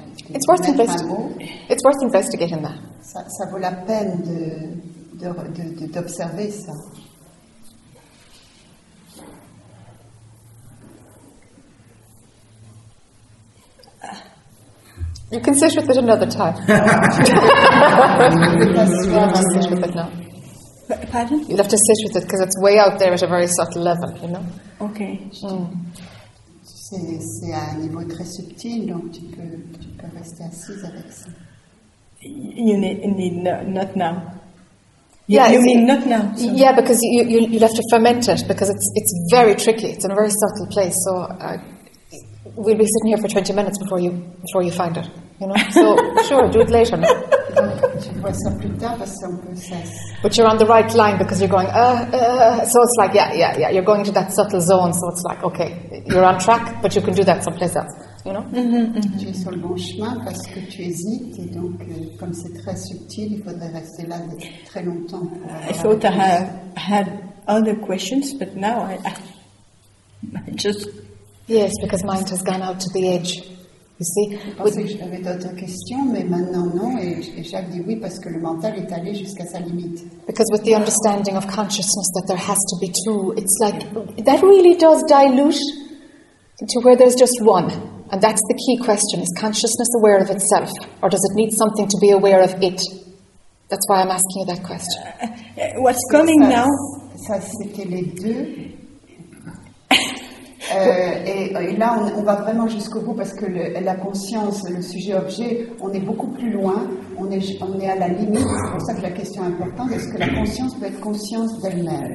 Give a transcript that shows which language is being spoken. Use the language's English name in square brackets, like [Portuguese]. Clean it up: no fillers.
[English] It's worth investigating that. [French] Ça vaut la peine de d'observer ça. [English] You can sit with it another time. [French] Pardon? [English] You'll have to sit with it because it's way out there at a very subtle level, you know? Okay. [French] C'est à un niveau très subtil, donc tu peux rester assise avec ça. [English] You need not now. You mean not now. So. Yeah, because you have to ferment it, because it's very tricky. It's in a very subtle place, so we'll be sitting here for 20 minutes before you find it. You know? So, sure, do it later. But you're on the right line because you're going, so it's like, yeah, you're going into that subtle zone, so it's like, okay, you're on track, but you can do that someplace else, you know? [French] Tu es sur le bon chemin parce que tu hésites, et donc, comme c'est très subtil, il faudrait rester là très longtemps. [English] I thought I had other questions, but now I just... Yes, because mine has gone out to the edge. You see, [French] je pensais que j'avais d'autres questions, mais maintenant non, et Jacques dit oui parce que le mental est allé jusqu'à sa limite. [English] Because with the understanding of consciousness that there has to be two, it's like that really does dilute to where there's just one, and that's the key question: is consciousness aware of itself, or does it need something to be aware of it? That's why I'm asking you that question. What's coming now? [French] Ça c'était les deux. Et là, on va vraiment jusqu'au bout parce que la conscience, le sujet-objet, on est beaucoup plus loin, on est à la limite. C'est pour ça que la question est importante, est-ce que la conscience peut être conscience d'elle-même?